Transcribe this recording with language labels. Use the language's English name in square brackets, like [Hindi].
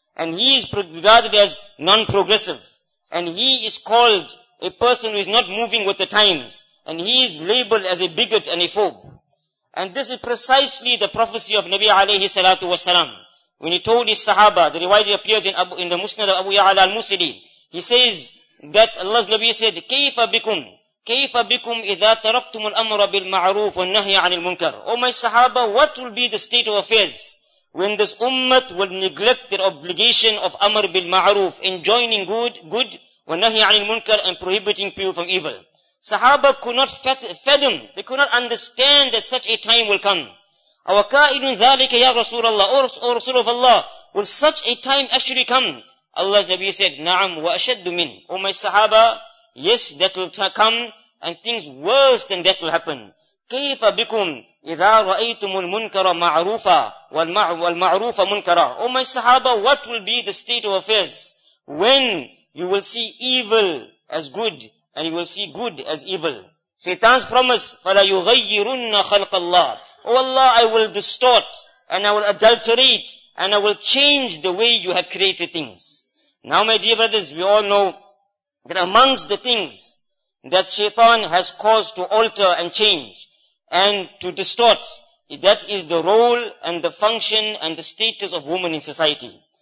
[English] And he is regarded as non-progressive. And he is called a person who is not moving with the times. And he is labeled as a bigot and a phobe. And this is precisely the prophecy of Nabi alayhi salatu wasalam. When he told his sahaba, the riwayat appears in the Musnad of Abu Ya'ala al-Musili. He says that Allah's Nabi said, [Arabic] كَيْفَ بِكُمْ كَيْفَ بِكُمْ إِذَا تَرَكْتُمُ الْأَمْرَ بِالْمَعْرُوفِ وَالنَّهْيَ عَنِ الْمُنْكَرِ. [English] O my sahaba, what will be the state of affairs when this ummah will neglect their obligation of amr bil ma'roof, enjoining good, [Arabic] وَالنَّهْيَ عَنِ الْمُنْكَرِ, [English] and prohibiting people from evil. Sahaba could not fathom, they could not understand that such a time will come. [Arabic] أَوَكَائِنٌ ذَلِكَ يَا رَسُولَ اللَّهِ, [English] O Rasul of Allah, will such a time actually come? Allah's Nabi said, [Arabic] نَعَمْ وَأَشَدُّ مِنْ. [English] O my sahaba, yes, that will come, and things worse than that will happen. [Arabic] كَيْفَ بِكُمْ إِذَا رَأَيْتُمُ الْمُنْكَرَ مَعْرُوفًا وَالْمَعْرُوفَ مُنْكَرًا. [English] O my sahaba, what will be the state of affairs when you will see evil as good, and you will see good as evil? Satan's promise, [Arabic] فَلَا يُغَيِّرُنَّ خَلْقَ اللَّهِ. [English] O Allah, I will distort and I will adulterate and I will change the way you have created things. Now, my dear brothers, we all know that amongst the things that Shaitan has caused to alter and change and to distort, that is the role and the function and the status of women in society.